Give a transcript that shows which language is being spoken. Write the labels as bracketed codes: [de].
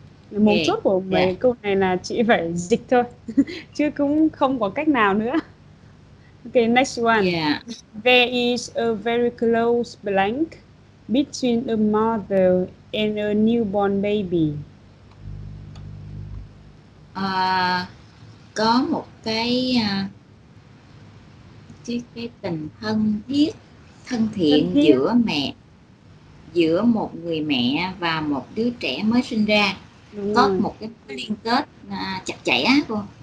[vi] Mấu chốt của mấy câu này là chị phải dịch thôi. Chứ cũng không có cách nào nữa. [en] Okay, next one. Yeah. There is a very close blank between a mother and a newborn baby. [vi] Có một cái tình thân thiện giữa mẹ, giữa một người mẹ và một đứa trẻ mới sinh ra. Đúng có rồi. Một cái liên kết chặt chẽ cô.